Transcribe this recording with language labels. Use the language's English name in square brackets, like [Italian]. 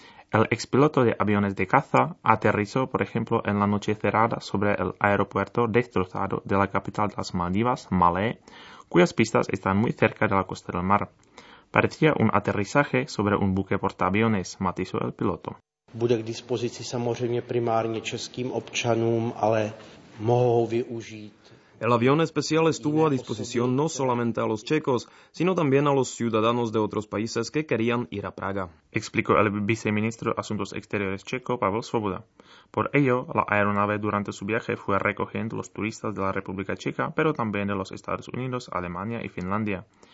[Spanish] El expiloto de aviones de caza aterrizó, por ejemplo, en la noche cerrada sobre el aeropuerto destrozado de la capital de las Maldivas, Malé, cuyas pistas están muy cerca de la costa del mar. Parecía un aterrizaje sobre un buque portaaviones, matizó el piloto. [Czech] Bude k dispozici samozřejmě primárně českým občanům, ale mohou využít. [Spanish] El avión especial estuvo a disposición no solamente a los checos, sino también a los ciudadanos de otros países que querían ir a Praga, explicó el viceministro de Asuntos Exteriores checo, Pavel Svoboda. Por ello, la aeronave durante su viaje fue recogiendo los turistas de la República Checa, pero también de los Estados Unidos, Alemania y Finlandia.